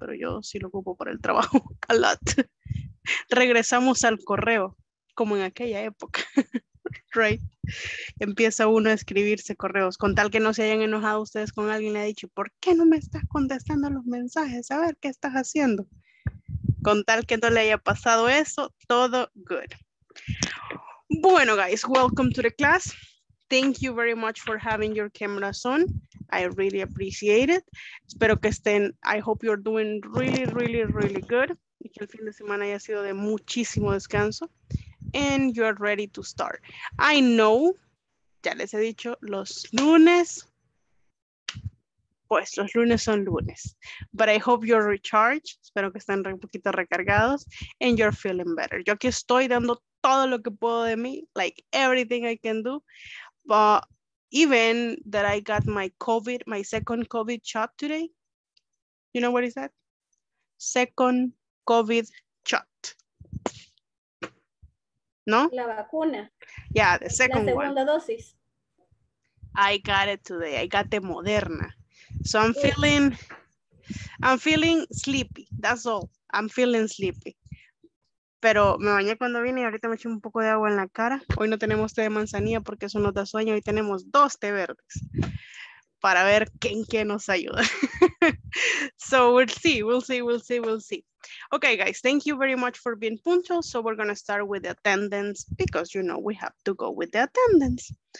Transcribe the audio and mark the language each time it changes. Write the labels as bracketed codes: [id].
[es] Pero yo sí lo ocupo para el trabajo, [en] a lot. [es] Regresamos al correo, como en aquella época. [en] Right. [es] Empieza uno a escribirse correos, con tal que no se hayan enojado ustedes con alguien, le ha dicho, ¿por qué no me estás contestando los mensajes? A ver, ¿qué estás haciendo? Con tal que no le haya pasado eso, todo [en] good. Bueno, guys, welcome to the class. Thank you very much for having your cameras on. I really appreciate it. [es] Espero que estén, [en] I hope you're doing really, really, really good. [es] Y que el fin de semana haya sido de muchísimo descanso. [en] And you are ready to start. I know, [es] ya les he dicho, los lunes son lunes. [en] But I hope you're recharged. [es] Espero que estén un poquito recargados. [en] And you're feeling better. [es] Yo aquí estoy dando todo lo que puedo de mí. [en] Like everything I can do. But even that I got my second COVID shot today. You know what is that? Second COVID shot. No? [es] La vacuna. [en] Yeah, the second one. [es] La segunda dosis. [en] I got it today. I got the Moderna. So I'm feeling, yeah. I'm feeling sleepy. That's all. I'm feeling sleepy. [es] Pero me bañé cuando vine y ahorita me eché un poco de agua en la cara. Hoy no tenemos té de manzanilla porque eso nos da sueño. Hoy tenemos dos té verdes para ver quién qué nos ayuda. [en] So we'll see. Okay, guys, thank you very much for being punctual. So we're going to start with the attendance because, you know, we have to go with the attendance.